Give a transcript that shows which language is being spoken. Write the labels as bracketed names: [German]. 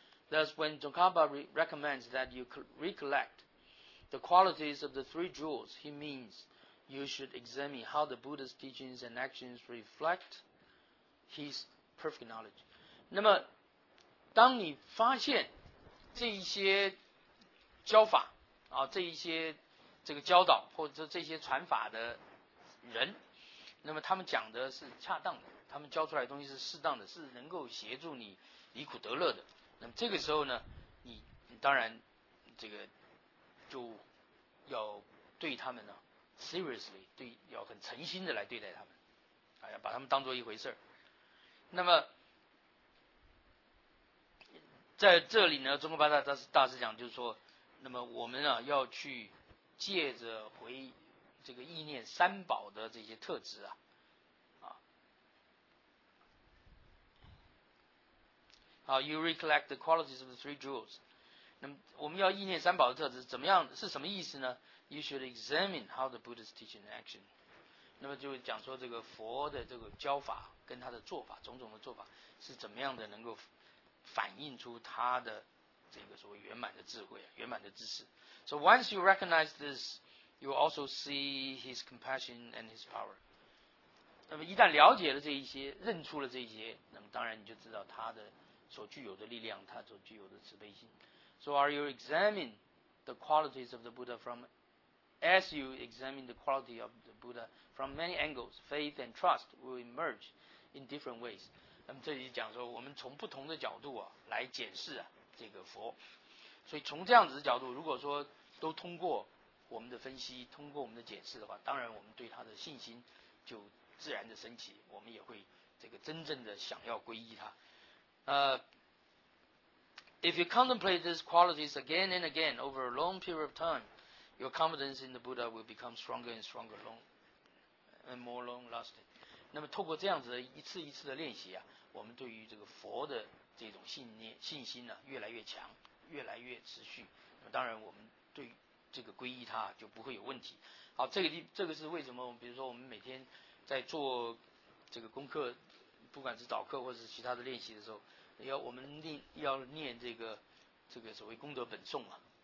[English] Thus, when Tsongkhapa recommends that you recollect the qualities of the three jewels, he means you should examine how the Buddha's teachings and actions reflect his perfect knowledge. [Chinese] 那么当你发现这一些教法啊，这一些这个教导或者这些传法的人，那么他们讲的是恰当的，他们教出来的东西是适当的，是能够协助你离苦得乐的，那么这个时候呢，你当然这个就要对他们呢 seriously, 对，要很诚心的来对待他们，要把他们当作一回事。那么在这里呢，中国八大大师讲，就是说，那么我们啊要去借着回这个意念三宝的这些特质啊 [English] you recollect the qualities of the three jewels. [Chinese] 那么我们要意念三宝的特质怎么样，是什么意思呢？ [English] You should examine how the Buddha's teaching and action. [Chinese] 那么就讲说这个佛的这个教法跟他的做法，种种的做法是怎么样的，能够反映出他的这个所谓圆满的智慧，圆满的知识。 [English] So once you recognize this, you will also see his compassion and his power. [Chinese] 那么一旦了解了这一些，认出了这一些，那么当然你就知道他的所具有的力量，他所具有的慈悲心。 [English] So are you examining the qualities of the Buddha from As you examine the quality of the Buddha from many angles, faith and trust will emerge in different ways. [Chinese] 那么这里讲说，我们从不同的角度啊来检视啊这个佛。所以从这样子的角度，如果说都通过我们的分析，通过我们的检视的话，当然我们对他的信心就自然的升起，我们也会这个真正的想要皈依他。 [English] If you contemplate these qualities again and again over a long period of time, your confidence in the Buddha will become stronger and stronger, long and more long lasting. [Chinese] 那么透过这样子的一次一次的练习啊，我们对于这个佛的这种信念信心呢、啊、越来越强，越来越持续。那么当然我们对这个皈依他就不会有问题。好，这个是为什么？比如说我们每天在做这个功课，不管是早课或是其他的练习的时候，我们要念这个所谓功德本颂嘛。